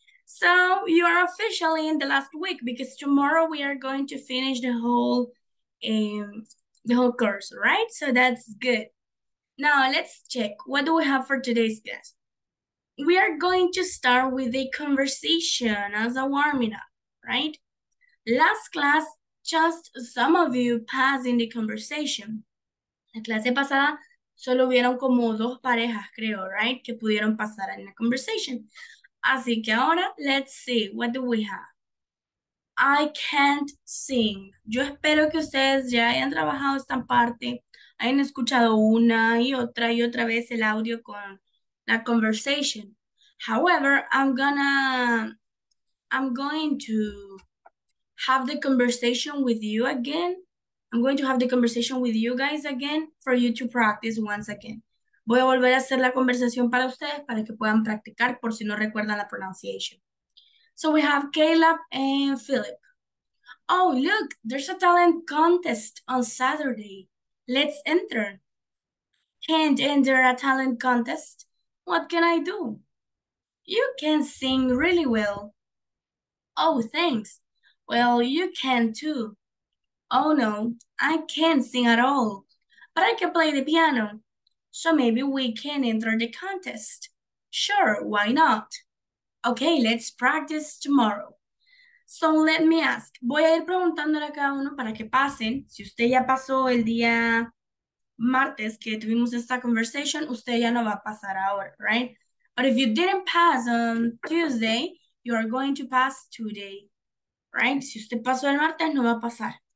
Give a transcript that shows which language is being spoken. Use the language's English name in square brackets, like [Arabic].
[English] So you are officially in the last week because tomorrow we are going to finish the whole course, all right? So that's good. Now let's check. What do we have for today's class? We are going to start with a conversation as a warming up, right? Last class, just some of you passed in the conversation. [Spanish] La clase pasada, solo vieron como dos parejas, creo, right? Que pudieron pasar en la conversation. Así que ahora, [English] let's see, what do we have? I can't sing. [Spanish] Yo espero que ustedes ya hayan trabajado esta parte, hayan escuchado una y otra vez el audio con la conversation. [English] However, I'm going to have the conversation with you again. I'm going to have the conversation with you guys again for you to practice once again. [Spanish] Voy a volver a hacer la conversación para ustedes para que puedan practicar por si no recuerdan la pronunciation. [English] So we have Caleb and Philip. Oh, look, there's a talent contest on Saturday. Let's enter. Can't enter a talent contest? What can I do? You can sing really well. Oh, thanks. Well, you can too. Oh no, I can't sing at all, but I can play the piano. So maybe we can enter the contest. Sure, why not? Okay, let's practice tomorrow. So let me ask, [Spanish] voy a ir preguntándole a cada uno para que pasen. Si usted ya pasó el día martes que tuvimos esta conversation, usted ya no va a pasar ahora, right? [English] But if you didn't pass on Tuesday, you are going to pass today, right? [Spanish] Si usted pasó el martes, no va a pasar.